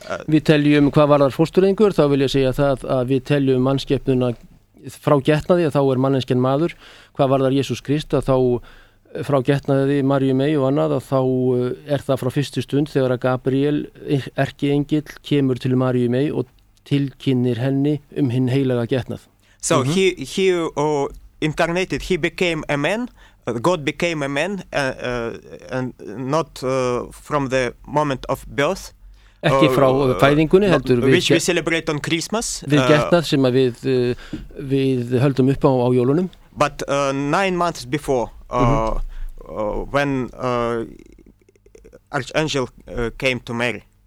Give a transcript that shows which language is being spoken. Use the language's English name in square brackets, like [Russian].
[Icelandic] Við teljum hvað varðar fóstureyðingur, þá vil ég segja það að við teljum mannskepnuna frá getnaði að þá manneskjan maður, hvað varðar Jesús Krist að þá frá getnaði Maríu mei og annað að þá það frá fyrstu stund þegar að Gabriel, erkiengill, kemur til Maríu mei og tilkynir henni hinn heilaga getnað. [English] So he incarnated, he became a man. God became a man and not from the moment of birth. [Icelandic] Ekki frá fæðingunni heldur [English] við which we celebrate on Christmas. [Icelandic] Við getnað sem að við við höldum upp á jólunum. [English] But 9 months before when Archangel came to Mary.